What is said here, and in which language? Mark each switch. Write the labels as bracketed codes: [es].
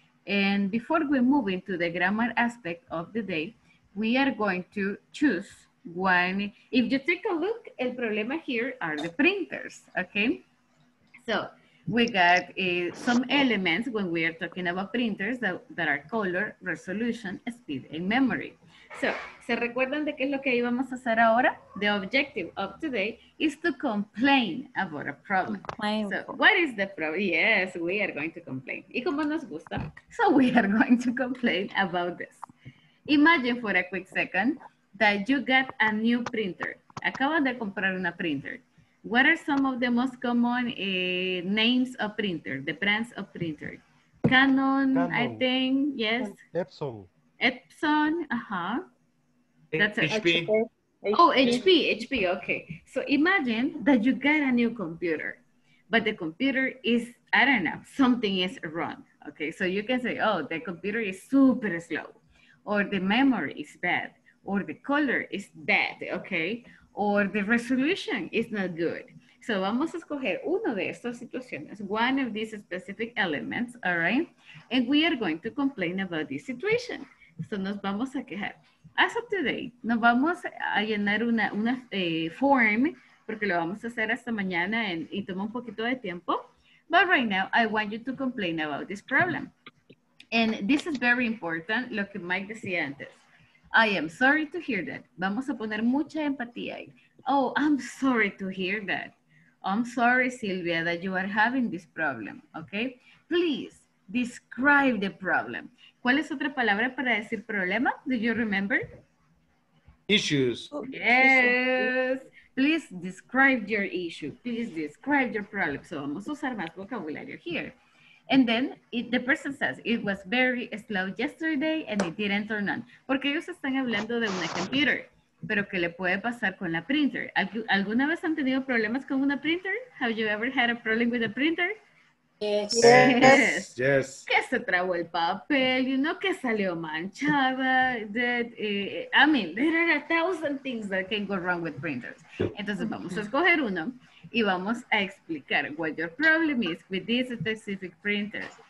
[en] And before we move into the grammar aspect of the day, we are going to choose one. If you take a look, [es] el problema [en] here are the printers, okay? So we got some elements when we are talking about printers that are color, resolution, speed, and memory. [es] So, ¿se recuerdan de qué es lo que íbamos a hacer ahora? [en] The objective of today is to complain about a problem. Complain. So, what is the problem? Yes, we are going to complain. [es] ¿Y cómo nos gusta? [en] So, we are going to complain about this. Imagine for a quick second that you got a new printer. [es] Acaban de comprar una printer. [en] What are some of the most common names of printer, the brands of printer? Canon, I think, yes. Epson, uh-huh. That's HP. Oh, HP, okay. So imagine that you get a new computer, but the computer is, I don't know, something is wrong, okay? So you can say, oh, the computer is super slow, or the memory is bad, or the color is bad, okay? Or the resolution is not good. So [es] vamos a escoger uno de estas situaciones, [en] one of these specific elements, all right? And we are going to complain about this situation. [es] So nos vamos a quejar. [en] As of today, [es] nos vamos a llenar una form, porque lo vamos a hacer hasta mañana y toma un poquito de tiempo. [en] But right now, I want you to complain about this problem. And this is very important, [es] lo que Mike decía antes. [en] I am sorry to hear that. [es] Vamos a poner mucha empatía ahí. [en] Oh, I'm sorry to hear that. I'm sorry, Silvia, that you are having this problem, okay? Please, describe the problem. [es] ¿Cuál es otra palabra para decir problema? [en] Do you remember? Issues. Yes. Please describe your issue. Please describe your problem. So [es] vamos a usar más vocabulario [en] here. And then the person says, it was very slow yesterday and it didn't turn on. [es] Porque ellos están hablando de una computer. Pero ¿qué le puede pasar con la printer? ¿Alguna vez han tenido problemas con una printer? [en] Have you ever had a problem with a printer? Yes. Yes. [es] Que se trabó el papel, [en] you know, [es] que salió manchada. [en] There are a thousand things that can go wrong with printers. [es] Entonces vamos a escoger uno y vamos a explicar [en] what your problem is with this specific printer.